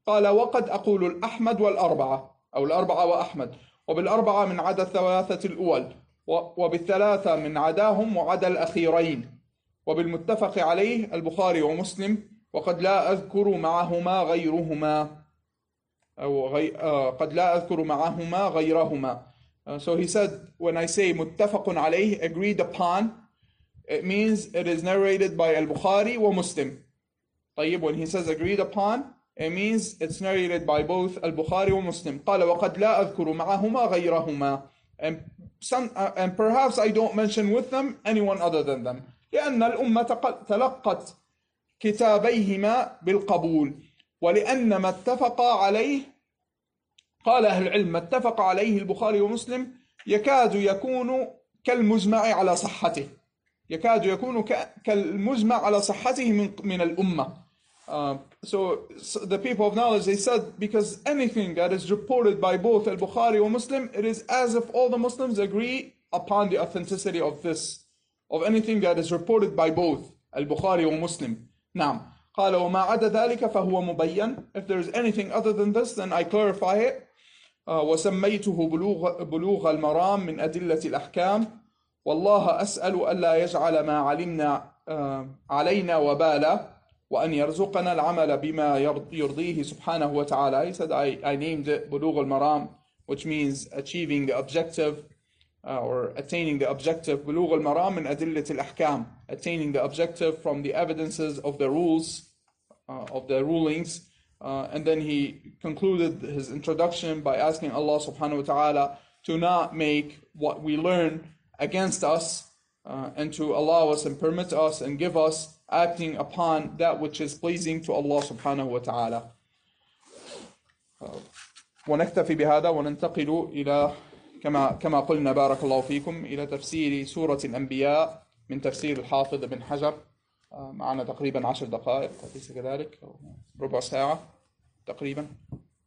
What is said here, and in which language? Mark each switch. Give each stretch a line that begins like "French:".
Arabic: قال وقد أقول الأحمد والأربعة أو الأربعة وأحمد وبالأربعة من عدا الثلاثة الأول وبالثلاثة من عداهم وعدا الأخيرين وبالمتفق عليه البخاري ومسلم وقد لا أذكر معهما غيرهما أو قد لا أذكر معهما غيرهما.
English: So he said, when I say muttafaqun alayh, agreed upon, it means it is narrated by al-Bukhari wa Muslim. طيب, when he says agreed upon, it means it's narrated by both al-Bukhari wa Muslim.
Arabic: قَالَ وَقَدْ لَا أَذْكُرُ مَعَهُمَا غَيْرَهُمَا.
English: And perhaps I don't mention with them anyone other than them.
Arabic: لِأَنَّ الْأُمَّةَ تَلَقَّتْ كِتَابَيْهِمَا بِالْقَبُولِ وَلِأَنَّ مَا اتَّفَقَ عَلَيْهِ. قال أهل العلم اتفق عليه البخاري ومسلم يكاد يكون كالمجمع على صحته يكاد يكون كالمجمع على صحته من الأمة.
English: So the people of knowledge, they said, because anything that is reported by both al-Bukhari and Muslim, it is as if all the Muslims agree upon the authenticity of this, of anything that is reported by both al-Bukhari and Muslim.
Arabic: نعم. قال وما عدا ذلك فهو مبين.
English: If there is anything other than this, then I clarify it.
Arabic: وسميته بلوغ المرام من أدلة الأحكام والله أسأل ألا يجعل ما علمنا علينا وبالا وأن يرزقنا العمل بما يرضيه سبحانه وتعالى.
English: He said, I named it بلوغ المرام, which means achieving the objective or attaining the objective. بلوغ المرام من أدلة الأحكام, attaining the objective from the evidences of the rules, of the rulings. And then he concluded his introduction by asking Allah subhanahu wa ta'ala to not make what we learn against us, and to allow us and permit us and give us acting upon that which is pleasing to Allah subhanahu wa ta'ala.
Arabic: ونكتفي بهذا وننتقل إلى كما قلنا بارك الله فيكم إلى تفسير سورة الأنبياء من تفسير الحافظ بن حجر. معنا تقريبا 10 دقائق ليس كذلك, ربع ساعة تقريبا.